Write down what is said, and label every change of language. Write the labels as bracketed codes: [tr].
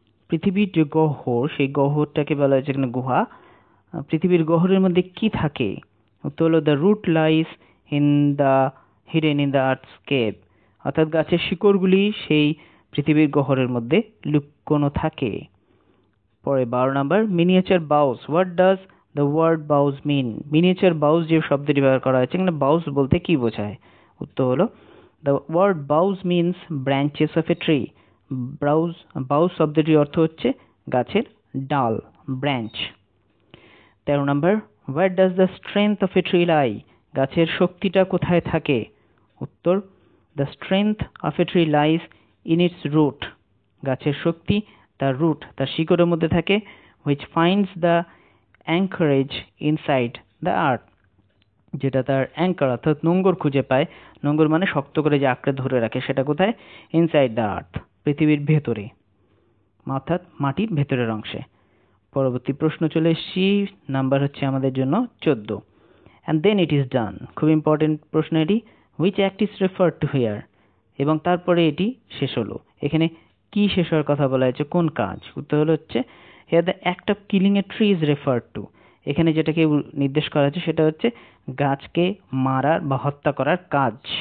[bn] পৃথিবীর যে গহ্বর সেই গহ্বরটাকে বলা হয়েছে এখানে গুহা পৃথিবীর গহ্বরের মধ্যে কি থাকে উত্তর হলো [en] the root lies in the hidden in the earthscape [bn] অর্থাৎ গাছের শিকড়গুলি সেই পৃথিবীর গহ্বরের মধ্যে লুকোনো থাকে পরে 12 নম্বর miniature বাউস [en] what does the word boughs mean [bn] miniature বাউস যে শব্দটি ব্যবহার করা হয়েছে এখানে বাউস বলতে কি বোঝায় উত্তর হলো [en] The word boughs means branches of a tree. [bn] Boughs শব্দটির অর্থ হচ্ছে গাছের ডাল branch. [en] 13 নম্বর Where does the strength of a tree lie? [bn] গাছের শক্তিটা কোথায় থাকে? [en] উত্তর The strength of a tree lies in its root. [bn] গাছের শক্তি তার root, তার শিকড়ের মধ্যে থাকে [en] which finds the anchorage inside the earth. [bn] যেটা তার অ্যাঙ্কার অর্থাৎ নোঙ্গর খুঁজে পায় নোঙ্গর মানে শক্ত করে যে আঁকড়ে ধরে রাখে সেটা কোথায় [en] inside the earth [bn] পৃথিবীর ভেতরে অর্থাৎ মাটির ভেতরের অংশে পরবর্তী প্রশ্ন চলে এসছি নাম্বার হচ্ছে আমাদের জন্য 14 [en] and then it is done [bn] খুব ইম্পর্টেন্ট প্রশ্ন এটি [en] which act is refer to here [bn] এবং তারপরে এটি শেষ হলো এখানে কি শেষ হওয়ার কথা বলা হয়েছে কোন কাজ উত্তর হলো হচ্ছে [en] here the act of killing a tree is refer to [bn] এখানে যেটাকে নির্দেশ করা হয়েছে সেটা হচ্ছে গাছকে মারার বা হত্যা করার কাজ